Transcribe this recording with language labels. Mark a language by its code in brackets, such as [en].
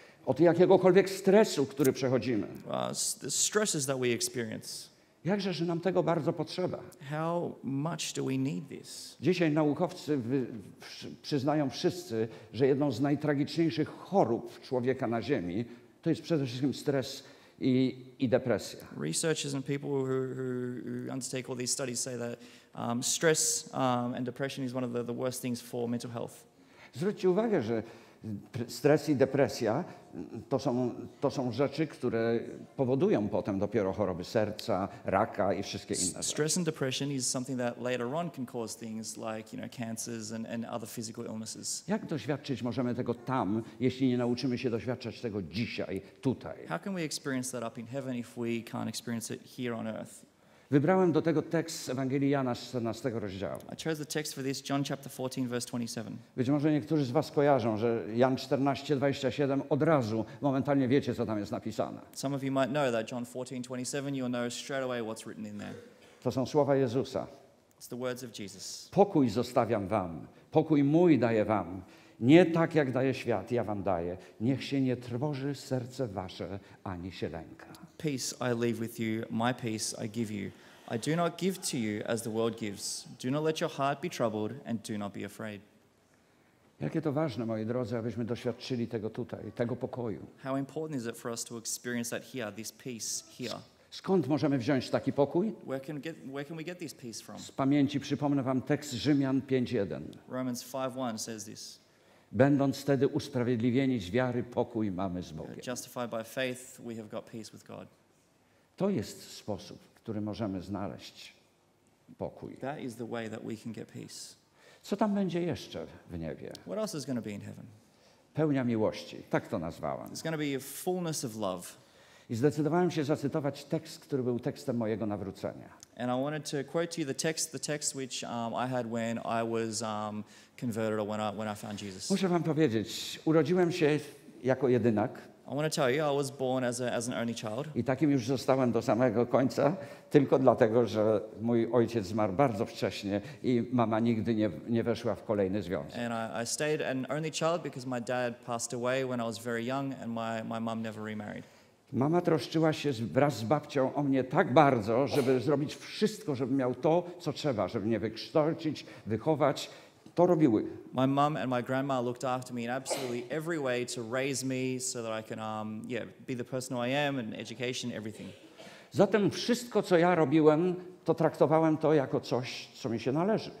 [pl] Od jakiegokolwiek stresu, który przechodzimy. [en] The stresses that we experience. [pl] Jakże że nam tego bardzo potrzeba. [en] How much do we need this? [pl] Dzisiaj naukowcy przyznają wszyscy, że jedną z najtragiczniejszych chorób człowieka na Ziemi to jest przede wszystkim stres i depresja. [en] Researchers and people who undertake all these studies say that stress and depression is one of the worst things for mental health. [pl] Zwróćcie uwagę, że stres i depresja to są rzeczy, które powodują potem dopiero choroby serca, raka i wszystkie inne. [en] Stress and depression is something that later on can cause things like, you know, cancers and other physical illnesses. [pl] Jak doświadczyć możemy tego tam, jeśli nie nauczymy się doświadczać tego dzisiaj, tutaj? [en] How can we experience that up in heaven if we can't experience it here on earth? [pl] Wybrałem do tego tekst z Ewangelii Jana 14 rozdziału. [en] I chose the text for this, John chapter 14, verse 27. [pl] Być może niektórzy z was kojarzą, że Jan 14, 27 od razu, momentalnie wiecie, co tam jest napisane. [en] Some of you might know that John 14, 27, you'll know straight away what's written in there. [pl] To są słowa Jezusa. [en] It's the words of Jesus. [pl] Pokój zostawiam wam, pokój mój daję wam. Nie tak, jak daje świat, ja wam daję. Niech się nie trwoży serce wasze, ani się lęka. [en] Peace I leave with you, my peace I give you. I do not give to you as the world gives. Do not let your heart be troubled and do not be afraid. [pl] Jakie to ważne, moi drodzy, abyśmy doświadczyli tego tutaj, tego pokoju. [en] How important is it for us to experience that here, this peace here? [pl] Skąd możemy wziąć taki pokój? [en] Where can we get this peace from? [pl] Z pamięci przypomnę wam tekst Rzymian 5:1. [en] Romans 5:1 says this. [pl] Będąc wtedy usprawiedliwieni z wiary, pokój mamy z Bogiem. [en] Justified by faith, we have got peace with God. [pl] To jest sposób, w którym możemy znaleźć pokój. [en] That is the way that we can get peace. [pl] Co tam będzie jeszcze w niebie? [en] What else is going to be in heaven? [pl] Pełnia miłości, tak to nazwałem. [en] It's going to be a fullness of love. [pl] I zdecydowałem się zacytować tekst, który był tekstem mojego nawrócenia. [en] And I wanted to quote to you the text which I had when I was converted or when I found Jesus. [pl] Muszę wam powiedzieć, urodziłem się jako jedynak. [en] I want to tell you, I was born as an only child. [pl] I takim już zostałem do samego końca, tylko dlatego, że mój ojciec zmarł bardzo wcześnie i mama nigdy nie weszła w kolejny związek. [en] And I stayed an only child because my dad passed away when I was very young and my mom never remarried. [pl] Mama troszczyła się wraz z babcią o mnie tak bardzo, żeby zrobić wszystko, żeby miał to, co trzeba, żeby mnie wykształcić, wychować. To robiły. [en] My mom and my grandma looked after me in absolutely every way to raise me so that I can be the person who I am and education, everything. [pl] Zatem wszystko, co ja robiłem, to traktowałem to jako coś, co mi się należy.